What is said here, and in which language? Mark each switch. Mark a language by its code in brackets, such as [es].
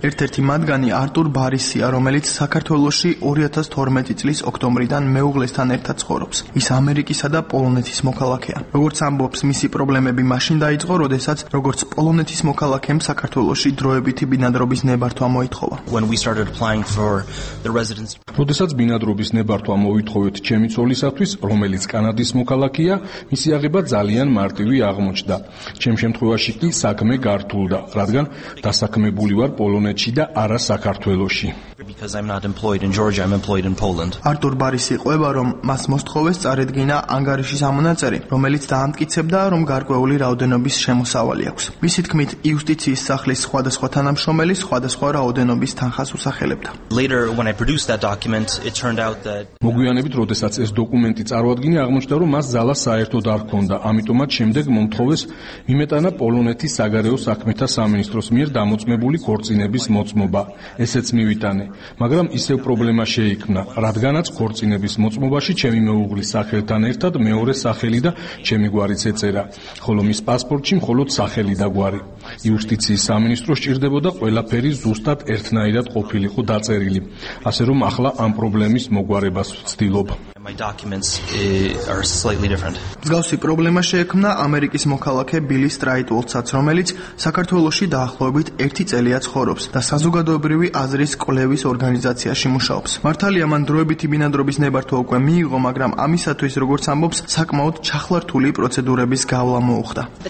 [ka] ერთ-ერთი მათგანი არტურ ბარისია, რომელიც საქართველოში 2012 წლის ოქტომბრიდან მეუღლესთან ერთად ცხოვრობს. ის ამერიკისა და პოლონეთის მოქალაქეა. როგორც ამბობს, მისი პრობლემები მაშინ დაიწყო, როდესაც როგორც პოლონეთის მოქალაქემ საქართველოში დროებით ბინადრობის ნებართვა მოითხოვა. [en] When we started applying for the residence. [ka] როდესაც ბინადრობის ნებართვა მოითხოვეთ ჩემი ცოლისათვის, რომელიც კანადის მოქალაქეა, მისი აღება ძალიან მარტივი აღმოჩნდა. ჩემ შემთხვევაში კი საქმე გართულდა, რადგან დასაქმებული ვარ პოლონეთში და არა საქართველოში. [en] Because I'm not employed in Georgia, I'm employed in Poland. [ka] Artur Barisi ყვება, რომ მას მოსთხოვეს წარედგინა ანგარიშის ამონაწერი, რომელიც დაამტკიცებდა, რომ გარკვეული რაოდენობის შემოსავალი აქვს. მისი თქმით, იუსტიციის სახლის სხვადასხვა თანამშრომელი სხვადასხვა რაოდენობის თანხას უსახელებდა. [en] Later when I produced that document, it turned out that [ka] მოგვიანებით, როდესაც ეს დოკუმენტი წარუდგინე, აღმოჩნდა, რომ მას ზალა საერთოდ არ ჰქონდა, ამიტომაც შემდეგ მომთხოვეს მიმეტანა პოლონეთის საგარეო საქმეთა სამინისტროს მიერ დამოწმებული ქორწინების მოწმობა. ესეც მივიტანე, მაგრამ ისევ პრობლემა შეიქმნა, რადგანაც ქორწინების მოწმობაში ჩემი მეუღლის სახელთან ერთად მეორე სახელი და ჩემი გვარიც ეწერა, ხოლო მის პასპორტში მხოლოდ სახელი და გვარი. იუსტიციის სამინისტრო სჭირდებოდა ყველაფერი ზუსტად ერთნაირად ყოფილიყო დაწერილი, ასე რომ ახლა ამ პრობლემის მოგვარებას ვცდილობ. [en] My documents are slightly different. [ka] მსგავსი პრობლემა შეექმნა ამერიკის მოქალაქე ბილი სტრაიტვოლცაც, რომელიც საქართველოში დაახლოებით 1 წელია ცხოვრობს და საზოგადოებრივი აზრის კვლევის ორგანიზაციაში მუშაობს. მართალია, მან დროებითი ბინადრობის ნებართვა უკვე მიიღო, მაგრამ ამისათვის, როგორც ამბობს, საკმაოდ ჩახლართული პროცედურების გავლა მოუხდა.